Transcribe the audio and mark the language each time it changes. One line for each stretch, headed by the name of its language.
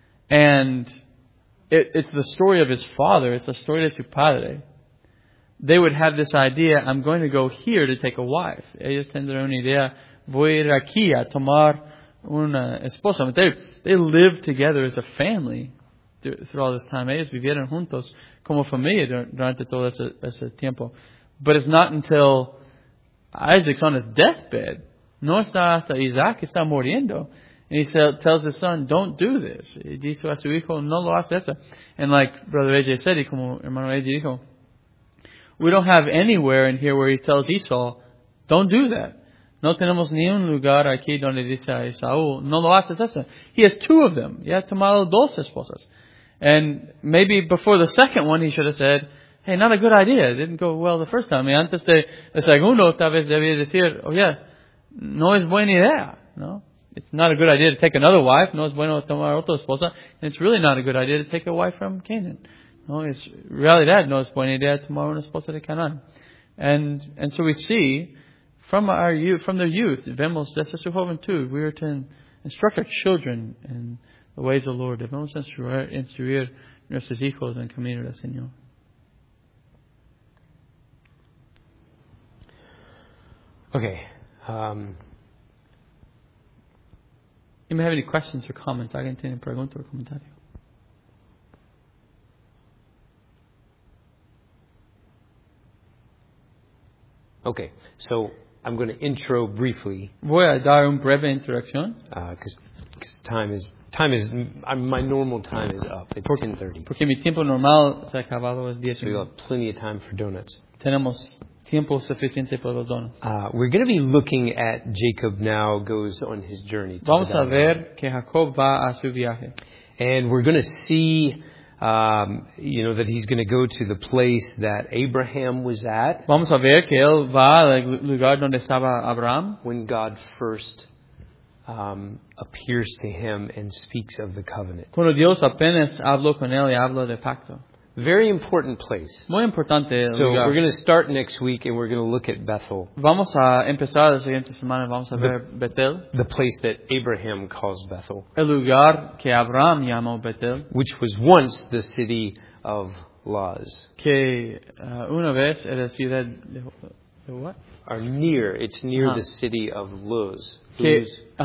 English: And it's the story of his father, it's the story
Spanish: de su padre.
English: They would have this idea, I'm going to go here to take a wife.
Spanish: Ellos tendrán una idea, voy a ir aquí a tomar una esposa.
English: They lived together as a family through all this time.
Spanish: Ellos vivieron juntos como familia durante todo ese tiempo.
English: But it's not until Isaac's on his deathbed.
Spanish: No está hasta Isaac está muriendo.
English: And he tells his son, don't do this.
Spanish: Y dice a su hijo, no lo hace eso.
English: And like Brother AJ said,
Spanish: y como hermano AJ dijo,
English: we don't have anywhere in here where he tells Esau, don't do that.
Spanish: No tenemos ni un lugar aquí donde dice a Esaú, no lo haces eso.
English: He has two of them.
Spanish: Ya ha tomado dos esposas.
English: And maybe before the second one, he should have said, hey, not a good idea. It didn't go well the first time.
Spanish: Y antes de el segundo, tal vez debía decir,
English: oh yeah,
Spanish: no es buena idea.
English: No, it's not a good idea to take another wife.
Spanish: No es bueno tomar otra esposa.
English: And it's really not a good idea to take a wife from Canaan. No, it's really that.
Spanish: No es buena idea tomar una esposa de Canaan.
English: And so we see, from their youth,
Spanish: vemos desde su juventud,
English: we are to instruct our children in the ways of the Lord.
Spanish: Debemos instruir nuestros hijos en camino del Señor.
English: Okay. You may have any questions or comments.
Spanish: ¿Alguien tiene pregunta o comentario?
English: Okay, so I'm going to intro briefly.
Spanish: Voy a dar un breve introducción.
English: Because time is my normal time is up. It's 10:30.
Spanish: Porque mi tiempo normal se acabado es 10.
English: So we have plenty of time for donuts.
Spanish: Tenemos tiempo suficiente para los donuts.
English: We're going to be looking at Jacob now goes on his journey. To
Spanish: Vamos a ver que Jacob va a su viaje.
English: And we're going to see. You know that he's going to go to the place that Abraham was at.
Spanish: Vamos a ver que él va al lugar donde estaba Abraham
English: when God first appears to him and speaks of the covenant.
Spanish: Cuando Dios apenas habló con él y habló del pacto.
English: Very important place.
Spanish: Muy importante
English: so
Spanish: lugar.
English: We're going to start next week and we're going to look at Bethel.
Spanish: Vamos a empezar la siguiente semana y vamos a ver Bethel.
English: The place that Abraham calls Bethel.
Spanish: El lugar que Abraham llamó Bethel.
English: Which was once the city of Luz.
Spanish: Que una vez era ciudad de
English: what? Are near. It's near the city of Luz. Luz.